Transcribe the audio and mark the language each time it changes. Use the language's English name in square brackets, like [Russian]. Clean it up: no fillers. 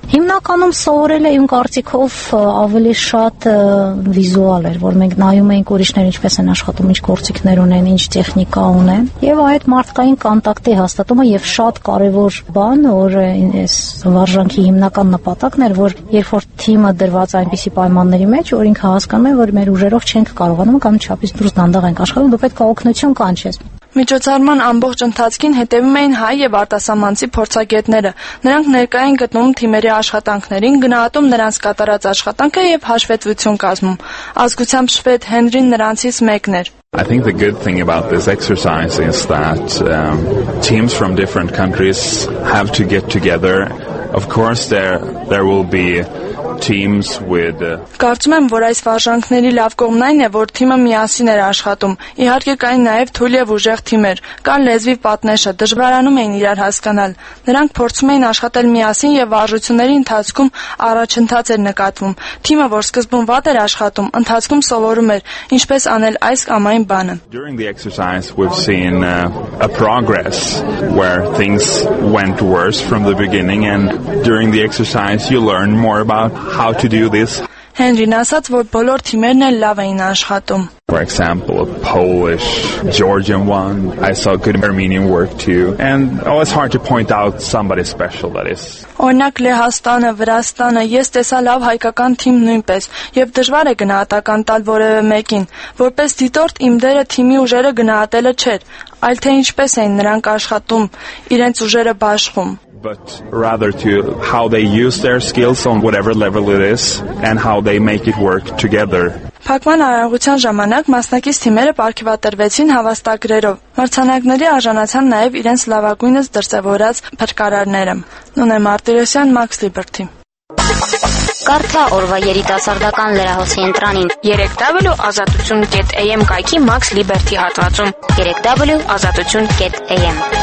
[Armenian] Հիմնականում սովորել էին կարծիքով ավելի շատ վիզուալ էր, որ մենք նայում էինք ուրիշներ ինչպես են աշխատում, ինչ գործիքներ ունեն, ինչ տեխնիկա ունեն, եւ այդ մարդկային կոնտակտի հաստատումը եւ շատ կարեւոր բան, որ այս վարժանքի հիմնական նպատակն էր, որ երբ որ թիմը դրված այնպիսի պայմանների մեջ, որ ինքը հասկանում է, որ մեր ուժերով չենք կարողանում կամ չափից դուրս դանդաղ ենք աշխատում, դու պետք է օգնություն կանչես։ Միջոցառման ամբողջ ընթացքին հետևում էին հայ և արտասահմանցի փորձագետները։ Նրանք ներկա էին գտնում թիմերի աշխատանքներին, գնահատում նրանց կատարած աշխատանքը և հաշվետվություն կազմում։ Ազգությամբ շվեդ Հենրին նրանցից մեկն էր։ [English] I think the good thing about this exercise is that teams from different countries have to get together. Of course there will be teams with [Armenian] Կարծում եմ, որ այս վարժանքների լավ կողմն այն է, որ թիմը միասին էր աշխատում։ Իհարկե կային նաև թույլ եւ ուժեղ թիմեր, կան լեզվի պատնեշը, դժվարանում էին իրար հասկանալ։ Նրանք փորձում էին աշխատել միասին եւ վարժությունների ընթացքում առաջընթաց էր նկատվում։ Թիմը, որ սկզբում վատ էր աշխատում, ընթացքում սովորում էր ինչպես անել այս կամ այն բանը։ [English] During the exercise we've seen a progress where things went worse from the beginning and during the exercise you learn more about how to do this. [Armenian] Հենրին ասաց, որ բոլոր թիմերն էլ լավ էին աշխատում. [English] For example, a Polish, Georgian one. I saw good Armenian work too. And it's hard to point out somebody special that is. [Armenian] Օրինակ Լեհաստանը, Վրաստանը, ես տեսա լավ հայկական թիմ նույնպես, եւ դժվար է գնահատական տալ որևէ մեկին, որպես դիտորդ իմ դերը թիմի ուժերը գնահատելը չէր, այլ թե ինչպես էին նրանք աշխատում, իրենց ուժերը բաշխում. [English] But rather to how they use their skills on whatever level it is and how they make it work together. [Armenian] Փակման արարողության ժամանակ մասնակից թիմերը պարգևատրվեցին հավաստագրերով։ Մրցանակների արժանացան նաև իրենց լավագույնս դրսևորած փրկարարները։ Նոնե Մարտիրոսյան, Մաքս Լիբերտի։ Կարթա օրվա երիտասարդական լրահոսի ընտրանին 3w.azatutyun.am կայքի Մաքս Լիբերտի հատվածում 3w.azatutyun.am